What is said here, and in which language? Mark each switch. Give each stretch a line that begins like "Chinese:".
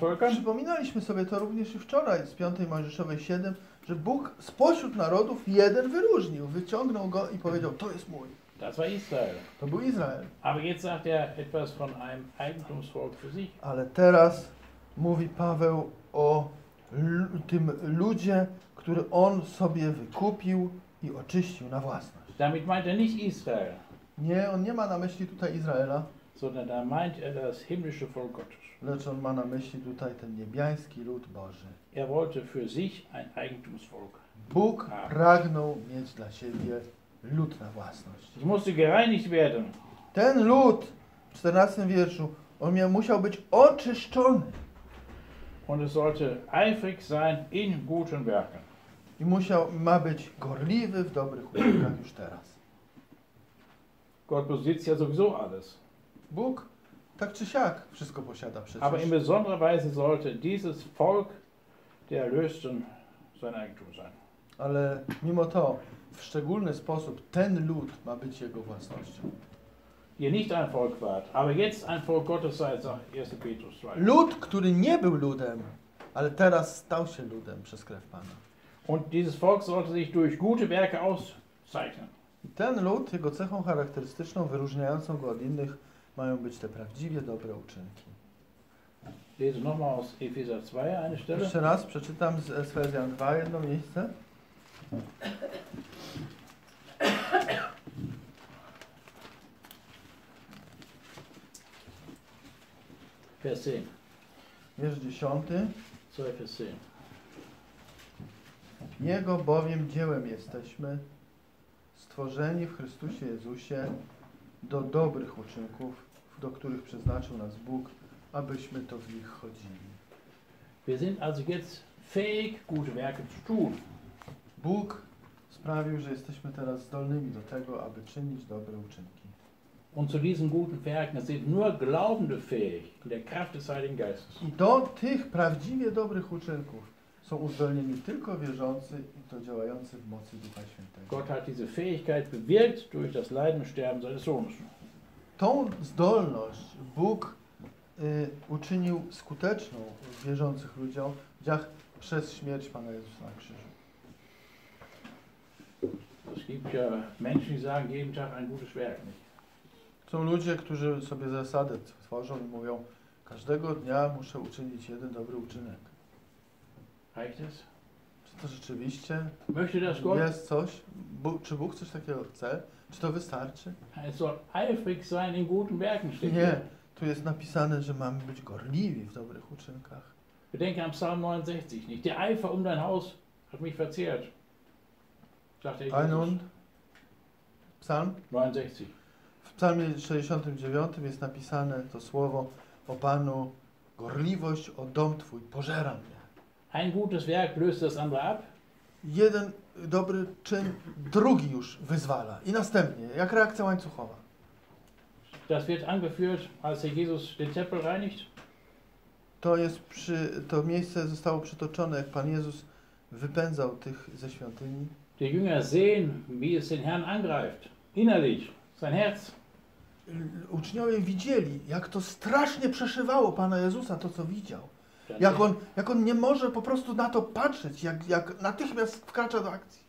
Polish: Przypominaliśmy sobie to również i wczoraj z 5 Mojżeszowej 7, że Bóg spośród narodów jeden wyróżnił, wyciągnął go i powiedział, to jest mój.
German: Das war Israel.
Polish: To był Izrael.
German: Aber jetzt sagt er etwas von einem Eigentumsvolk für sich.
Polish: Ale teraz mówi Paweł o tym ludzie, który on sobie wykupił i oczyścił na własność.
German: Damit meint er nicht Israel.
Polish: Nie, on nie ma na myśli tutaj Izraela.
German: Sondern da meint er das himmlische Volk Gottes.
Polish: Lecz on ma na myśli tutaj ten niebiański lud Boży.
German: Er wollte für sich ein Eigentumsvolk.
Polish: Bóg pragnął mieć dla siebie lud na własność.
German: Ich musste gereinigt werden.
Polish: Ten lud, w 14 wierszu, on musiał być oczyszczony.
German: Und es sollte eifrig sein in guten Werken.
Polish: I musiał, ma być gorliwy w dobrych uczynkach już teraz.
German: Gott besitzt ja sowieso alles.
Polish: Bóg tak czy siak wszystko posiada przecież.
German: Aber in besonderer Weise sollte dieses Volk der Erlösten sein Eigentum sein.
Polish: Ale mimo to, w szczególny sposób ten lud ma być jego własnością.
German: Ihr nicht ein Volk wart, aber jetzt ein Volk Gottes seid, sagt 1. Petrus 2.
Polish: Lud, który nie był ludem, ale teraz stał się ludem przez krew Pana.
German: Und dieses Volk sollte sich durch gute Werke auszeichnen.
Polish: I ten lud, jego cechą charakterystyczną, wyróżniającą go od innych, mają być te prawdziwie dobre uczynki.
German: Lesen noch mal aus Epheser 2 eine Stelle.
Polish: Jeszcze raz przeczytam z Efezjan 2 jedno miejsce.
German: Vers 10.
Polish: Wiersz 10. Co jest
German: Vers 10?
Polish: Jego bowiem dziełem jesteśmy stworzeni w Chrystusie Jezusie do dobrych uczynków, do których przeznaczył nas Bóg, abyśmy to w nich chodzili.
German: Wir sind also jetzt fähig, gute Werke zu tun.
Polish: Bóg sprawił, że jesteśmy teraz zdolnymi do tego, aby czynić dobre uczynki.
German: Und zu diesen guten Werken sind nur Glaubende fähig, der Kraft des Heiligen Geistes.
Polish: I do tych prawdziwie dobrych uczynków są uzdolnieni tylko wierzący i to działający w mocy Ducha Świętego.
German: Gott hat diese Fähigkeit bewirkt durch das Leiden und Sterben seines Sohnes.
Polish: Tą zdolność Bóg uczynił skuteczną w wierzących ludziach przez śmierć Pana Jezusa na krzyżu.
German: Es gibt ja Menschen, die sagen, jeden Tag ein gutes Werk, nicht?
Polish: Są ludzie, którzy sobie zasadę tworzą i mówią, każdego dnia muszę uczynić jeden dobry uczynek.
German: Reicht es?
Polish: Czy to rzeczywiście
German: möchte das Gott?
Polish: Jest coś? Czy Bóg coś takiego chce? Czy to wystarczy?
German: Es soll eifrig sein in guten Werken, steht.
Polish: Nie, tu jest napisane, że mamy być gorliwi w dobrych uczynkach.
German: Bedenke am Psalm 69, nicht? Der Eifer um dein Haus hat mich verzehrt.
Polish: A nun, psalm? 69. W psalmie 69 jest napisane to słowo o Panu, gorliwość o dom Twój, pożera mnie.
German: Ein gutes Werk löst das andere ab.
Polish: Jeden dobry czyn, drugi już wyzwala. I następnie, jak reakcja łańcuchowa.
German: Das wird angeführt, als der Jesus den Tempel reinigt.
Polish: To jest przy, to miejsce zostało przytoczone, jak Pan Jezus wypędzał tych ze świątyni.
German: Die Jünger sehen, wie es den Herrn angreift, innerlich, sein Herz.
Polish: Uczniowie widzieli, jak to strasznie przeszywało Pana Jezusa, to co widział. Jak on nie może po prostu na to patrzeć, jak natychmiast wkracza do akcji.